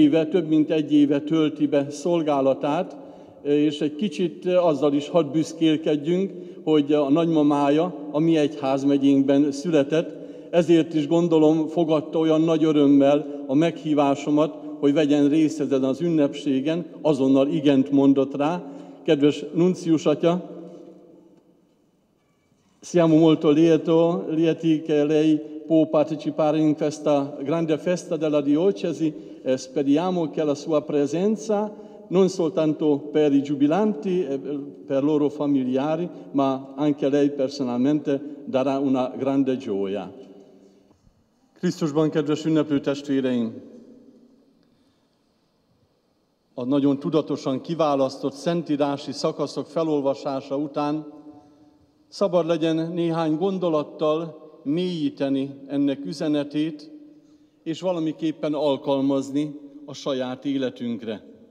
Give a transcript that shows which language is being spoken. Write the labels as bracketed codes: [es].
[hu] több mint egy éve tölti be szolgálatát, és egy kicsit azzal is hadd büszkélkedjünk, hogy a nagymamája a mi egyházmegyénkben született, ezért is gondolom fogadta olyan nagy örömmel a meghívásomat, hogy vegyen részt ezen az ünnepségen, azonnal igent mondott rá. Kedves nuncius atya, [it] siamo molto lieti che lei può partecipare in questa grande festa della diocesi, speriamo che la sua presenza non soltanto per i giubilanti e per loro familiari, ma anche lei personalmente darà una grande gioia. [hu] Krisztusban, kedves ünneplő testvéreim! A nagyon tudatosan kiválasztott szentírási szakaszok felolvasása után szabad legyen néhány gondolattal mélyíteni ennek üzenetét, és valamiképpen alkalmazni a saját életünkre.